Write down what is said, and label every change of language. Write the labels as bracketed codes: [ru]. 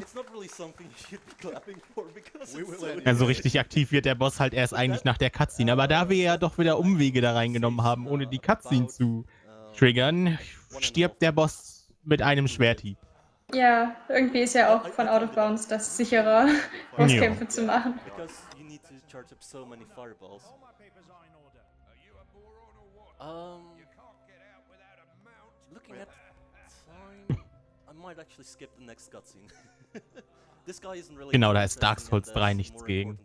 [en] It's not really something you should be clapping for because we will anyway. [de] Also richtig aktiv wird der Boss halt erst eigentlich nach der Cutscene, aber da wir ja doch wieder Umwege da reingenommen haben, ohne die Cutscene zu triggern, stirbt der Boss mit einem Schwerthieb. Ja, irgendwie ist ja auch von Out of Bounds das sichere, Bosskämpfe zu machen. [en] Because you need to charge up so many fireballs. Looking at time, I might actually skip the next cutscene. This guy isn't really. [de] Genau, da ist Dark Souls 3 nichts gegen.